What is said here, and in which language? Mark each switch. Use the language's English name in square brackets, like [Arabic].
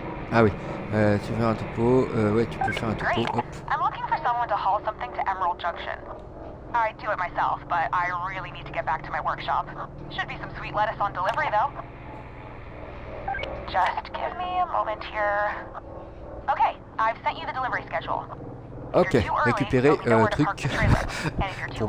[French] Ah oui, tu veux un topo, ouais, tu peux faire un topo. Hop. [English] I'm looking for someone to haul something to Emerald Junction. I do it myself, but I really need to get back to my workshop. Should be some sweet lettuce on delivery, though. Just give me a moment here. Okay, I've sent you the delivery schedule. [French] Okay, récupérer truc pour